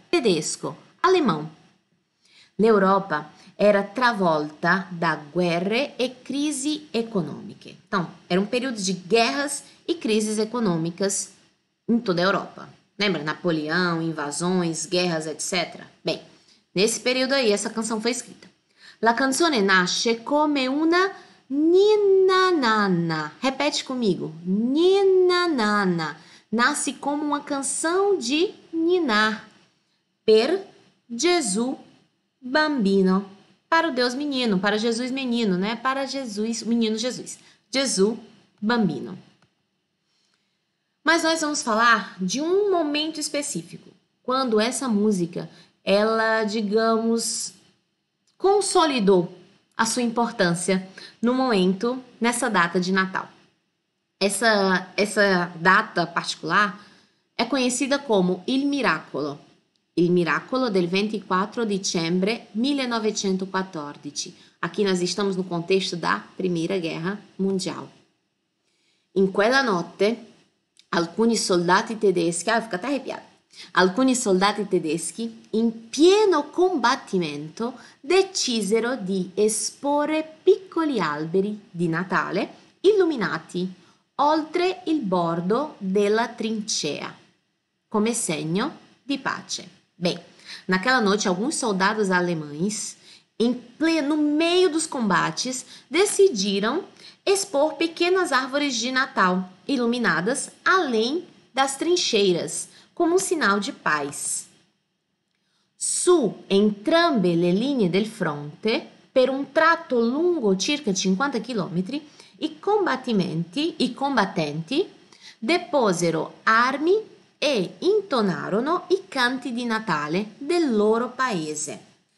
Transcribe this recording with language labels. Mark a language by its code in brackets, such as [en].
[it] Tedesco, alemão. L'Europa era travolta da guerre e crisi economiche. [pt] Então, era um período de guerras e crises econômicas em toda a Europa. Lembra? Napoleão, invasões, guerras, etc. Bem, nesse período aí, essa canção foi escrita. [it] La canzone nasce come una ninanana. [pt] Repete comigo. Ninanana. Nasce como uma canção de ninar. [it] Per Gesù bambino. [pt] Para o Deus menino, para Jesus menino, né? Para Jesus, o menino Jesus. [it] Gesù bambino. [pt] Mas nós vamos falar de um momento específico. Quando essa música, ela, digamos, consolidou a sua importância no momento, nessa data de Natal. Essa data particular é conhecida como Il Miracolo. [it] Il Miracolo del 24 dicembre 1914. [pt] Aqui nós estamos no contexto da Primeira Guerra Mundial. [it] In quella notte, alcuni soldati tedeschi... [pt] Ah, fico até arrepiato. [it] Alcuni soldati tedeschi, in pieno combattimento, decisero di esporre piccoli alberi di Natale illuminati oltre il bordo della trincea, come segno di pace. [pt] Bem, naquela noite, alguns soldados alemães Em pleno meio dos combates, decidiram expor pequenas árvores de Natal iluminadas além das trincheiras, como um sinal de paz. [it] Su entrambe le linee del fronte, per un tratto lungo circa 50 km, i combattenti deposero armi e intonarono i canti di Natale del loro paese.